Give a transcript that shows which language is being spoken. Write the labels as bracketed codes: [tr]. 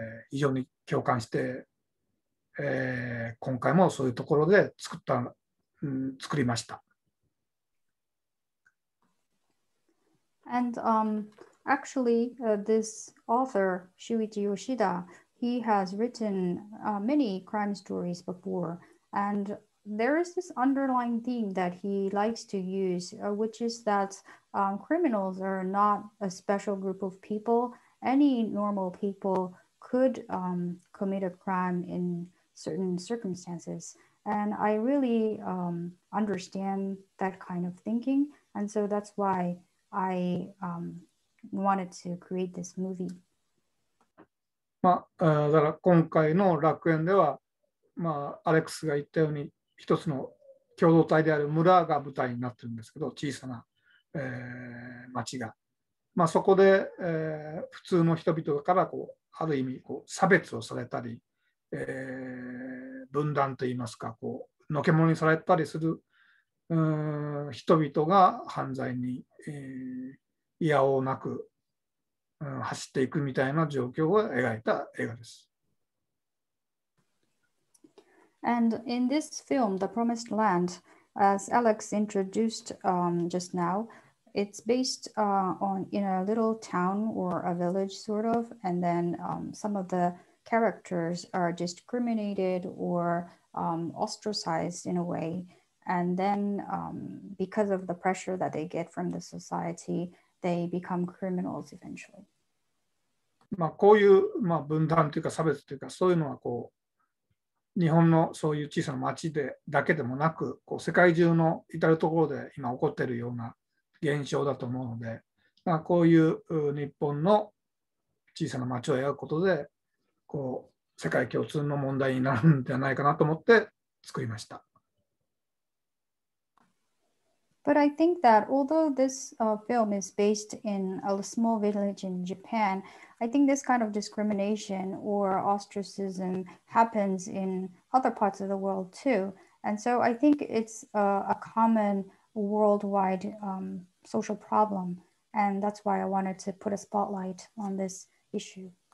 [ja] 非常に共感して、今回もそういうところで作りました。 [en] And actually this author Shuichi Yoshida, he has written many crime stories before, and there is this underlying theme that he likes to use, which is that criminals are not a special group of peopleAny normal people could commit a crime in certain circumstances. And I really understand that kind of thinking. And so that's why I wanted to create this movie. [ja] まあ、だから今回の楽園では、まあ、アレックスが言ったように一つの共同体である村が舞台になってるんですけど、小さな、町が。まあ、そこで、普通の人々からこうある意味こう差別をされたり、分断といいますか、こうのけ者にされたりする人々が犯罪に、いやおうなく、走っていくみたいな状況を描いた映画です。 [en] And in this film, The Promised Land, as Alex introduced just now,It's based on in a little town or a village sort of, and then some of the characters are discriminated or ostracized in a way. And then because of the pressure that they get from the society, they become criminals eventually. [ja] まあこういう、まあ、分断というか差別というか、そういうのはこう日本のそういう小さな町でだけでもなく、こう世界中の至るところで今起こっているような現象だと思うので、まあ、こういう日本の小さな町を描くことで、こう世界共通の問題になるんじゃないかなと思って作りました。 [en] But I think that although this film is based in a small village in Japan, I think this kind of discrimination or ostracism happens in other parts of the world too. And so I think it's a commonworldwide social problem, and that's why I wanted to put a spotlight on this issue.